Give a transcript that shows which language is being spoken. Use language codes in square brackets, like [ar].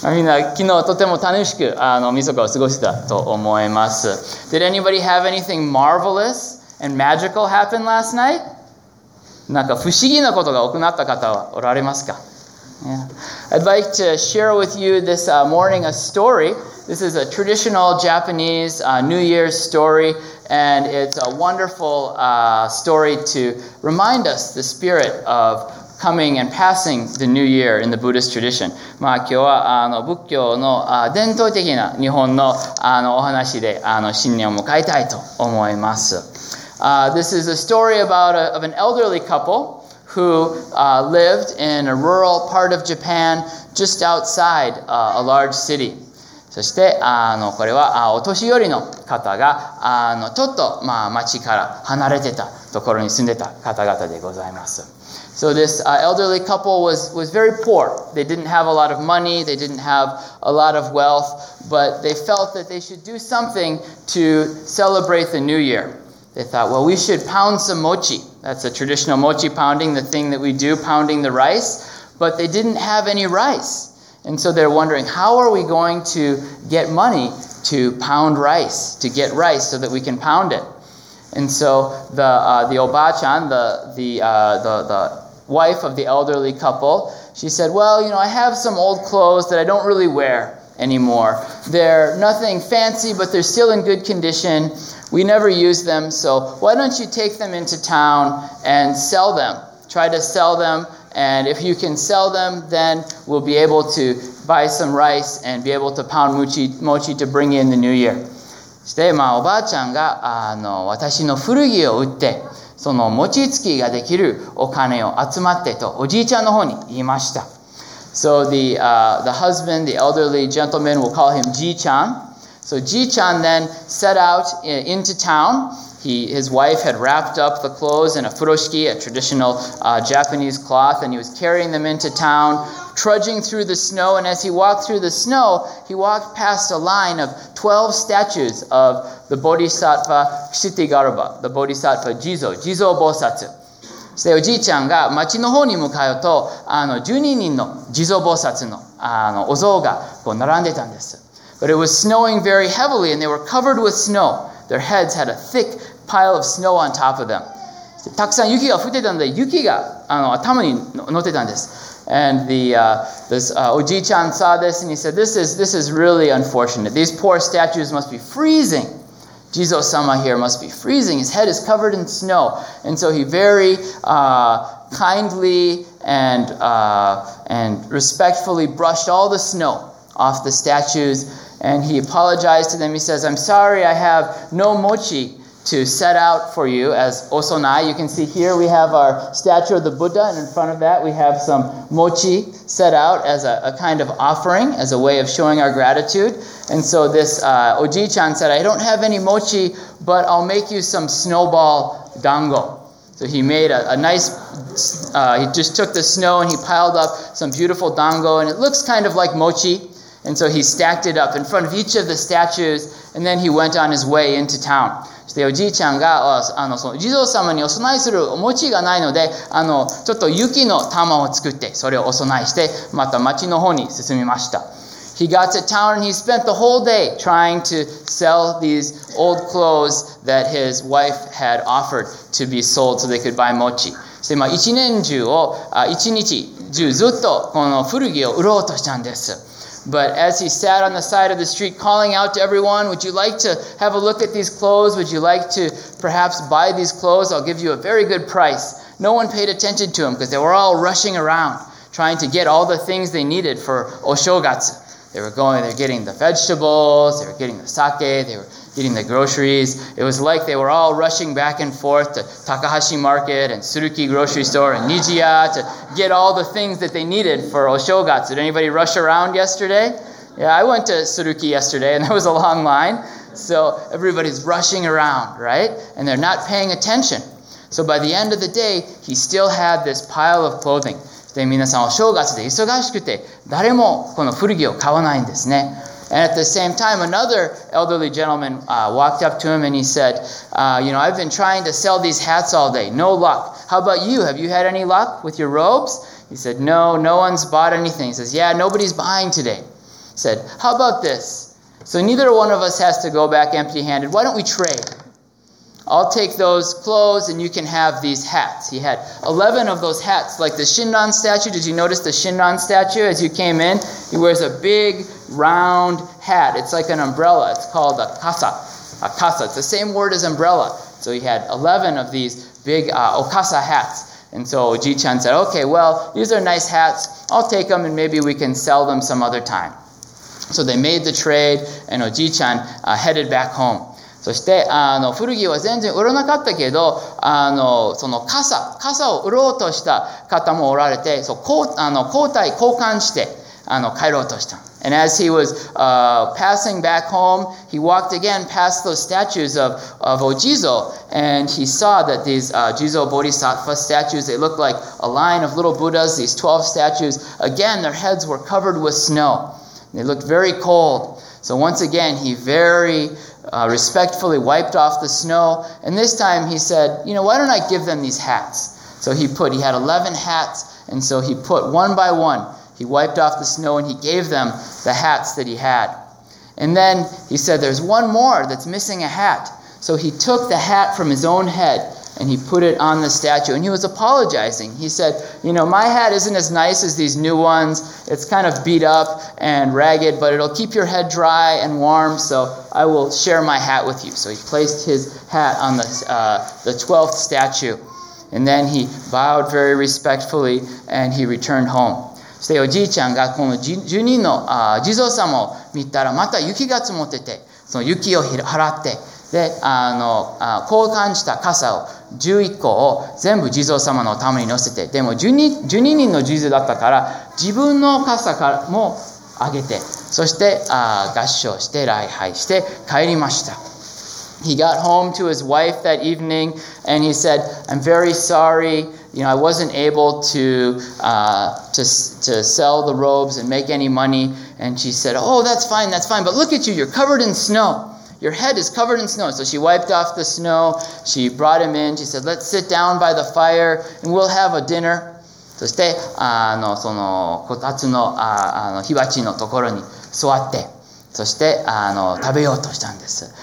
[ja] みんな昨日とても楽しく晦日を過ごしたと思います。 [en] Did anybody have anything marvelous and magical happen last night? [ja] なんか不思議なことが起こった方はおられますか? [en] Yeah. I'd like to share with you this morning a story. This is a traditional Japanese New Year's story. And it's a wonderful story to remind us the spirit of coming and passing the new year in the Buddhist tradition. [ja] まあ今日は仏教の伝統的な日本のお話で新年を迎えたいと思います。 [en] This is a story about of an elderly couple who lived in a rural part of Japan just outside a large city. [ja] そしてこれはお年寄りの方がちょっと、まあ、町から離れてたところに住んでた方々でございます。 [en] So this elderly couple was very poor. They didn't have a lot of money, they didn't have a lot of wealth, but they felt that they should do something to celebrate the new year. They thought, well, we should pound some mochi. That's a traditional mochi pounding, the thing that we do, pounding the rice. But they didn't have any rice. And so they're wondering, how are we going to get money to pound rice, to get rice so that we can pound it? And so the obachan, the wife of the elderly couple, she said, well, you know, I have some old clothes that I don't really wear anymore. They're nothing fancy, but they're still in good condition. We never use them, so why don't you take them into town and sell them, try to sell them. And if you can sell them, then we'll be able to buy some rice and be able to pound mochi to bring in the new year. [ja] そして、まあ、おばあちゃんが私の古着を売って、その餅つきができるお金を集まってとおじいちゃんの方に言いました。 [en] So the husband, the elderly gentleman, we'll call him Ji-chan. So Ji-chan then set out into town. His wife had wrapped up the clothes in a furoshiki, a traditional Japanese cloth, and he was carrying them into town, trudging through the snow. And as he walked through the snow, he walked past a line of 12 statues of the Bodhisattva Kshitigarbha, the Bodhisattva Jizo, Jizo Bosatsu. [ja] そしておじいちゃんが町の方に向かうと、12人の地蔵菩薩の、お像がこう並んでたんです。 [en] But it was snowing very heavily, and they were covered with snow. Their heads had a thick pile of snow on top of them. [ja] たくさん雪が降ってたので、雪が頭に乗ってたんです。 [en] And おじいちゃん saw this and he said, this is really unfortunate. These poor statues must be freezing. Jizo-sama here must be freezing. His head is covered in snow. And so he very kindly and respectfully brushed all the snow off the statues. And he apologized to them. He says, I'm sorry, I have no mochi to set out for you as osonai. You can see here we have our statue of the Buddha, and in front of that we have some mochi set out as a kind of offering, as a way of showing our gratitude. And so this oji-chan said, I don't have any mochi, but I'll make you some snowball dango. So he made a nice, he just took the snow and he piled up some beautiful dango, and it looks kind of like mochi. And so he stacked it up in front of each of the statues, and then he went on his way into town. [ja] そしておじいちゃんが、その地蔵様にお供えするお餅がないので、ちょっと雪の玉を作って、それをお供えして、また町の方に進みました。 [en] He got to town and he spent the whole day trying to sell these old clothes that his wife had offered to be sold so they could buy mochi. [ja] そして、一日中ずっとこの古着を売ろうとしたんです。 [en] But as he sat on the side of the street calling out to everyone, would you like to have a look at these clothes? Would you like to perhaps buy these clothes? I'll give you a very good price. No one paid attention to him because they were all rushing around trying to get all the things they needed for Oshogatsu. They were going, they're getting the vegetables, they were getting the sake, they were getting the groceries. It was like they were all rushing back and forth to Takahashi Market and Tsuruki Grocery Store and Nijiya to get all the things that they needed for Oshogatsu. Did anybody rush around yesterday? Yeah, I went to Tsuruki yesterday and there was a long line. So everybody's rushing around, right? And they're not paying attention. So by the end of the day, he still had this pile of clothing. [ja] で、皆さんお正月で忙しくて、誰もこの古着を買わないんですね。 [en] And at the same time, another elderly gentleman, walked up to him and he said, you know, I've been trying to sell these hats all day. No luck. How about you? Have you had any luck with your robes? He said, no, no one's bought anything. He says, yeah, nobody's buying today. He said, how about this? So neither one of us has to go back empty-handed. Why don't we trade? I'll take those clothes and you can have these hats. He had 11 of those hats, like the Shinran statue. Did you notice the Shinran statue as you came in? He wears a big round hat. It's like an umbrella. It's called a kasa. A kasa. It's the same word as umbrella. So he had 11 of these big okasa hats. And so Oji-chan said, okay, well, these are nice hats. I'll take them and maybe we can sell them some other time. So they made the trade and Oji-chan headed back home. [ja] そして、古着は全然売らなかったけど、その傘を売ろうとした方もおられて、そう、交換して、帰ろうとした。 [en] And as he was, passing back home, he walked again past those statues of Ojizo, and he saw that these, Jizo Bodhisattva statues, they looked like a line of little Buddhas, these 12 statues. Again, their heads were covered with snow. They looked very cold. So once again, he very, respectfully wiped off the snow. And this time he said, you know, why don't I give them these hats? So he had 11 hats. And so he put one by one, he wiped off the snow and he gave them the hats that he had. And then he said, there's one more that's missing a hat. So he took the hat from his own head and he put it on the statue. And he was apologizing. He said, you know, my hat isn't as nice as these new ones. It's kind of beat up and ragged, but it'll keep your head dry and warm, so I will share my hat with you. So he placed his hat on the 12th statue. And then he bowed very respectfully, and he returned home. [ja] そしておじいちゃんがこの10人の地蔵様を見たら、また雪が積もってて、その雪を払って、で、交換した傘を11個を全部地蔵様のために乗せて、でも12人の地蔵だったから、自分の傘からもあげて、そして、合唱して礼拝して帰りました。 [en] He got home to his wife that evening and he said, I'm very sorry. You know, I wasn't able to sell the robes and make any money. And she said, oh, that's fine, that's fine. But look at you, you're covered in snow. Your head is covered in snow. So she wiped off the snow. She brought him in. She said, let's sit down by the fire and we'll have a dinner. [ja] そして、その、こたつの、火鉢のところに座って、そして、食べようとしたんです。